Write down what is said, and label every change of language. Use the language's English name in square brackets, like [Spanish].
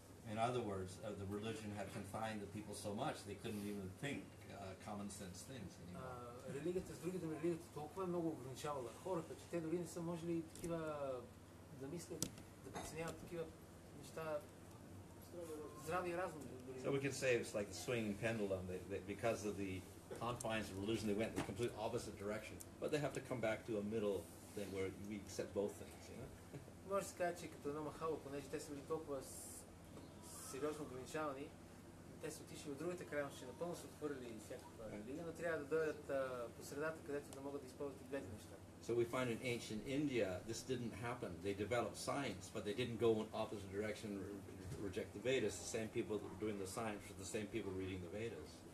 [English] In other words, the religion had confined the people so much they couldn't even think common sense things anymore. [Bulgarian] Религията с другите религията толкова много ограничавала хората, че те дори не са можели такива да мислят, да преценяват такива неща, здрави разум. [English] So we can say it's like the swinging pendulum, that because of the confines of religion they went in the complete opposite direction, but they have to come back to a middle thing where we accept both things, you know? [Bulgarian] Може се каже, че като едно махало, понеже те са били толкова сериозно ограничавани, те са отишли от другата крайност, че напълно са отхвърлили всякаква религия, но трябва да дойдат по средата, където да могат да използват и двете неща. [English] So we find in ancient India, this didn't happen. They developed science, but they didn't go in opposite direction reject the Vedas. The same people that were doing the science were the same people reading the Vedas.